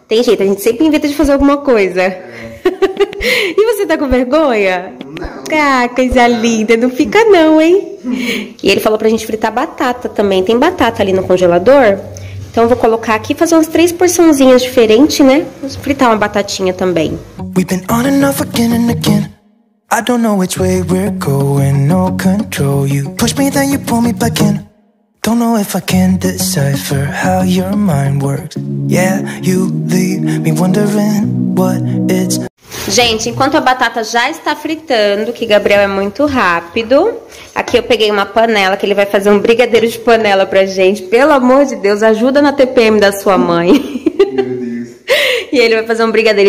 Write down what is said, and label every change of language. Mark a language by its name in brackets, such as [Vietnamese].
[Portuguese] Tem jeito, a gente sempre inventa de fazer alguma coisa. E você tá com vergonha? Não. Ah, coisa linda. Não fica não, hein? E ele falou pra gente fritar batata também. Tem batata ali no congelador? Então eu vou colocar aqui e fazer umas três porçãozinhas diferentes, né? Vamos fritar uma batatinha também. [English] We've been on and off again and again. I don't know which way we're going, no control. You push me, then you pull me back in. Don't know if I can decipher how your mind works. Yeah, you leave me wondering what it's... [Portuguese] Gente, enquanto a batata já está fritando, que Gabriel é muito rápido, aqui eu peguei uma panela, que ele vai fazer um brigadeiro de panela pra gente. Pelo amor de Deus, ajuda na TPM da sua mãe. E ele vai fazer um brigadeiro.